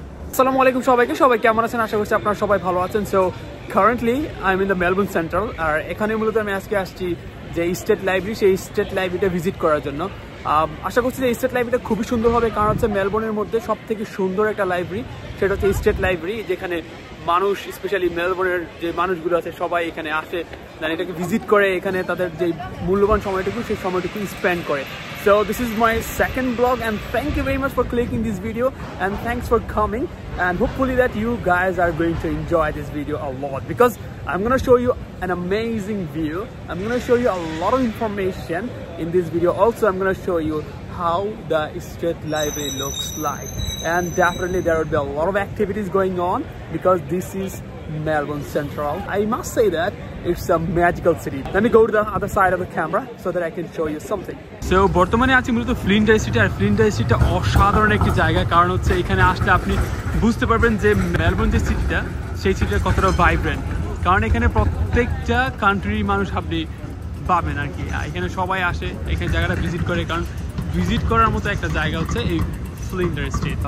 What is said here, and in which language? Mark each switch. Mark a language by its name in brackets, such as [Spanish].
[Bangla] আসসালামু আলাইকুম সবাইকে, সবাই কেমন আছেন? আশা করছি আপনারা সবাই ভালো আছেন। [English] so currently I am in the Melbourne Central, [Bangla] আর এখানে মূলত আমি আজকে আসছি যে স্টেট লাইব্রেরি, সেই স্টেট লাইব্রেরিটা ভিজিট করার জন্য। আশা করছি যে স্টেট লাইব্রেরিটা খুবই সুন্দর হবে, কারণ হচ্ছে মেলবোর্নের মধ্যে সব থেকে সুন্দর একটা লাইব্রেরি সেটা হচ্ছে স্টেট লাইব্রেরি, যেখানে মানুষ স্পেশালি মেলবোর্নের যে মানুষগুলো আছে সবাই এখানে আসে, মানে এটাকে ভিজিট করে, এখানে তাদের যে মূল্যবান সময়টুকু সেই সময়টুকু স্পেন্ড করে। [English] So this is my second vlog and thank you very much for clicking this video and thanks for coming and hopefully that you guys are going to enjoy this video a lot because I'm going to show you an amazing view. I'm going to show you a lot of information in this video. Also, I'm going to show you how the state library looks like and definitely there will be a lot of activities going on because this is Melbourne Central. I must say that it's a magical city. Let me go to the other side of the camera so that I can show you something. [Bangla] So বর্তমানে আছি মূলত ফ্লিন্ডার city, আর ফ্লিন্ডার সিটিটা অসাধারণ একটি জায়গা, কারণ হচ্ছে এখানে আসলে আপনি বুঝতে পারবেন যে মেলবোর্ন যে সিটিটা সেই সিটিটা কতটা ভাইব্রেন্ট, কারণ এখানে প্রত্যেকটা কান্ট্রির মানুষ আপনি পাবেন আর কি। এখানে সবাই আসে এখানে জায়গাটা ভিজিট করে, কারণ ভিজিট করার মতো একটা জায়গা হচ্ছে এই ফ্লিন্ডার স্ট্রিট।